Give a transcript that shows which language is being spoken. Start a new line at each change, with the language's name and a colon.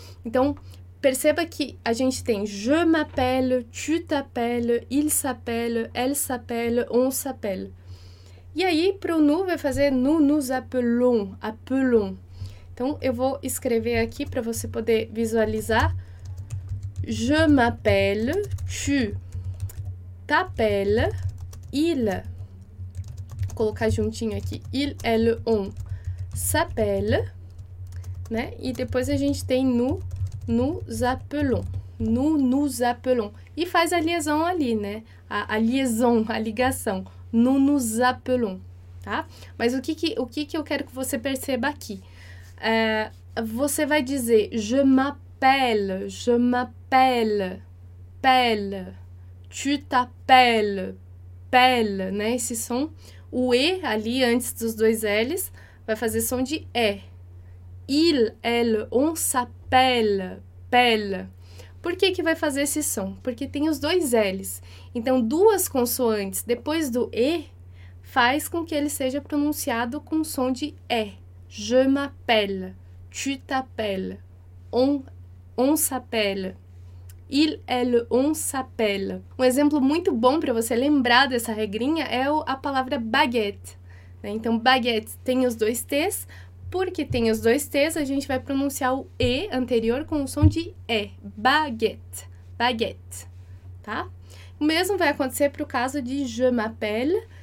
Portuguese: Então, perceba que a gente tem
French: je m'appelle, tu t'appelles, il s'appelle, elle s'appelle, on s'appelle.
Portuguese: E aí, pro nu vai fazer
French: nous nous appelons, appelons.
Portuguese: Então, eu vou escrever aqui para você poder visualizar.
French: Je m'appelle, tu t'appelles, il
Portuguese: colocar juntinho aqui.
French: Il, elle, on s'appelle,
Portuguese: né? E depois a gente tem
French: nous, nous appelons. Nous, nous appelons.
Portuguese: E faz a liaison ali, né? A liaison, a ligação.
French: Nous, nous appelons,
Portuguese: tá? Mas o que que eu quero que você perceba aqui? Você vai dizer
French: je m'appelle, pelle, tu t'appelles, pelle,
Portuguese: né? Esse som, o E ali antes dos dois L's vai fazer som de E.
French: Il, elle, on s'appelle, pelle.
Portuguese: Por que que vai fazer esse som? Porque tem os dois L's. Então, duas consoantes depois do E faz com que ele seja pronunciado com som de E.
French: Je m'appelle, tu t'appelles, on s'appelle, il, elle, on s'appelle.
Portuguese: Um exemplo muito bom para você lembrar dessa regrinha é a palavra baguette, né? Então, baguette tem os dois T's. Porque tem os dois T's, a gente vai pronunciar o E anterior com o som de E. Baguette, baguette, tá? O mesmo vai acontecer para o caso de
French: je m'appelle.